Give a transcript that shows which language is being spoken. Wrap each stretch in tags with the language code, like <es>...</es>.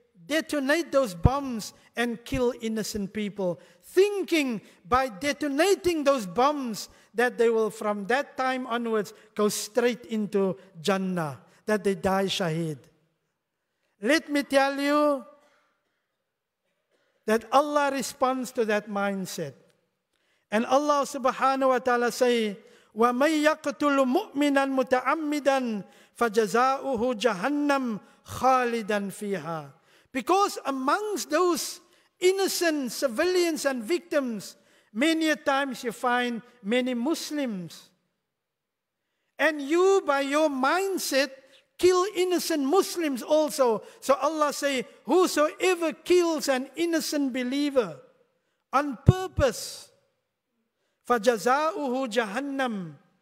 <en>detonate those bombs and kill innocent people, thinking by detonating those bombs that they will from that time onwards go straight into Jannah, that they die shaheed. Let me tell you that Allah responds to that mindset. And Allah subhanahu wa ta'ala say,</en> <ar>وَمَنْ يَقْتُلُ مُؤْمِنًا مُتَعَمِّدًا فَجَزَاؤُهُ جَهَنَّمْ خَالِدًا فِيهَا.</ar> <en>Because amongst those innocent civilians and victims, many a times you find many Muslims. And you, by your mindset, kill innocent Muslims also. So Allah say, whosoever kills an innocent believer on purpose,</en> <ar>فَجَزَاؤُهُ جَهَنَّمْ.</ar>